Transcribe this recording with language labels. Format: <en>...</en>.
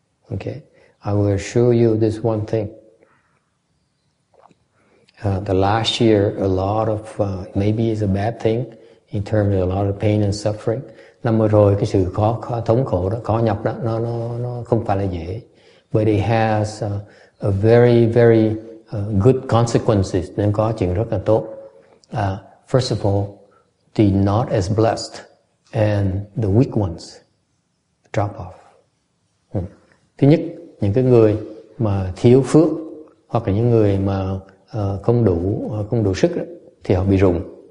<en>Okay, I will assure you this one thing. The last year, a lot of maybe it's a bad thing in terms of a lot of pain and suffering.</en> <vi>Năm vừa rồi cái sự khó thống khổ đó, khó nhọc đó, nó không phải là dễ.</vi> <en>But it has a very very good consequences.</en> <vi>Nên có chuyện rất là tốt.</vi> <en>First of all, the not as blessed and the weak ones drop off.</en> <vi>Thứ nhất, những cái người mà thiếu phước hoặc là những người mà không đủ sức đó, thì họ bị rụng.</vi>